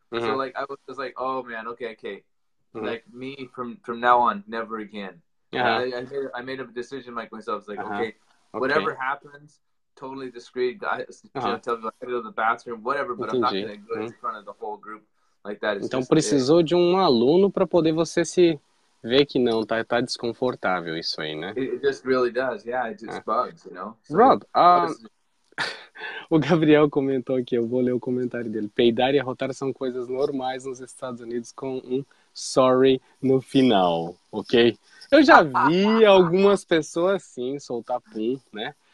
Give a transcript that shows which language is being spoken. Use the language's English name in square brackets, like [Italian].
[English] So like I was like, oh man, okay. Like me from now on, never again. I made a decision like myself. It's like okay, whatever happens, totally discreet. I go to the bathroom, whatever, but I'm not gonna go in front of the whole group like that. [Portuguese] Então just, precisou de um aluno para poder você se ver que não, tá desconfortável isso aí, né? [English] It just really does, yeah, it just bugs, you know. [Portuguese] So, Rob, o Gabriel comentou aqui, eu vou ler o comentário dele. Peidar e arrotar são coisas normais nos Estados Unidos com um sorry no final, ok? Eu já vi algumas pessoas, sim, soltar pum, né?